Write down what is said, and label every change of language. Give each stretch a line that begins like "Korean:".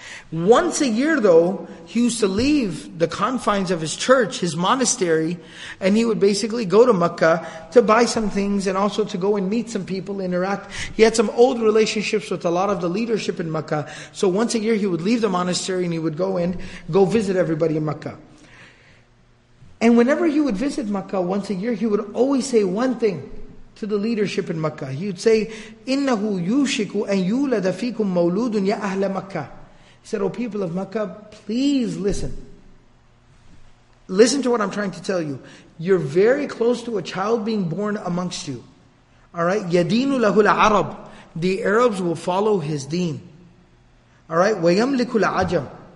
English: Once a year though, he used to leave the confines of his church, his monastery, and he would basically go to Mecca to buy some things and also to go and meet some people, interact. He had some old relationships with a lot of the leadership in Mecca. So once a year he would leave the monastery and he would go and go visit everybody in Mecca. And whenever he would visit Mecca once a year, he would always say one thing to the leadership in Mecca.
Arabic: He would say, إِنَّهُ يُوشِكُ أَن يُولَدَ فِيكُم مَوْلُودٌ يَا أَهْلَ مَكَّةٌ.
English: He said, O people of Mecca, please listen. Listen to what I'm trying to tell you. You're very close to a child being born amongst you. Alright?
Arabic: يَدِينُ لَهُ الْعَرَبُ.
English: The Arabs will follow his deen. Alright?
Arabic: وَيَمْلِكُ الْعَجَمُ.